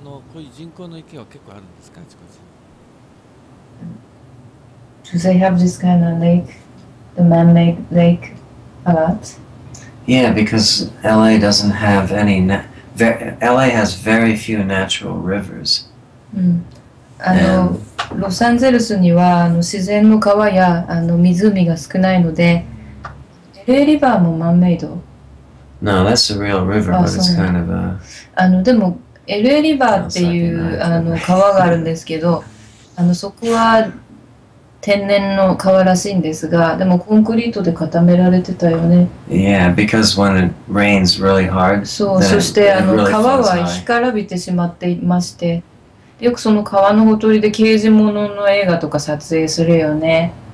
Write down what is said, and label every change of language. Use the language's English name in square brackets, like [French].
[Japanese] こういう人工の池は結構あるんですか？ [English] Do they have this kind of lake, the man-made lake, a lot? Yeah, because LA doesn't have any... LA has very few natural rivers. [Japanese] ロサンゼルスにはあの自然の川やあの湖が少ないので、LA リバーもマンメイド。 [English] No, that's a real river, but it's kind of a... [Japanese] あのでも、LA リバーっていうあの川があるんですけど、あのそこは天然の川らしいんですが、でもコンクリートで固められてたよね。 [English] Yeah, because when it rains really hard, [Japanese] そう、そしてあの川は干からびてしまっていまして、よくその川のほとりで刑事物の映画とか撮影するよね。